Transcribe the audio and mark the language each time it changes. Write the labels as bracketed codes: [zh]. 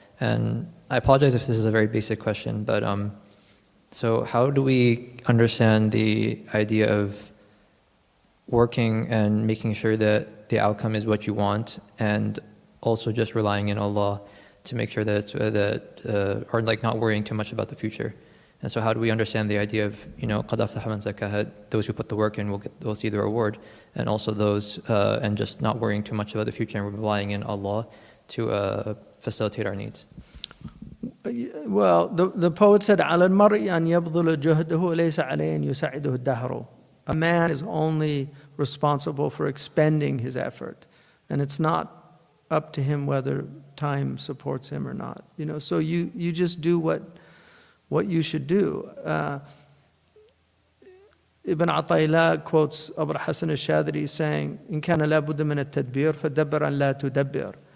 [en] And I apologize if this is a very basic question, but so how do we understand the idea of working and making sure that the outcome is what you want, and also just relying in Allah to make sure that or not worrying too much about the future? And so how do we understand the idea of, you know, [ar] qad aflaha man zakkaha, [en] those who put the work in will see the reward, and also those, and just not worrying too much about the future and relying in Allah to facilitate our needs? Well, the poet said, [ar] عَلَى الْمَرْءِ أَنْ يَبْذُلَ جُهْدُهُ وَلَيْسَ عَلَيْهِ يُسَعِدُهُ الدَّهْرُ. [en] A man is only responsible for expending his effort, and it's not up to him whether time supports him or not. You know, so you just do what you should do. Ibn Ataylah quotes Abu al-Hasan al-Shadri saying, [ar] "In kana labudda min at-tadbir fadabbir an la tudabbir."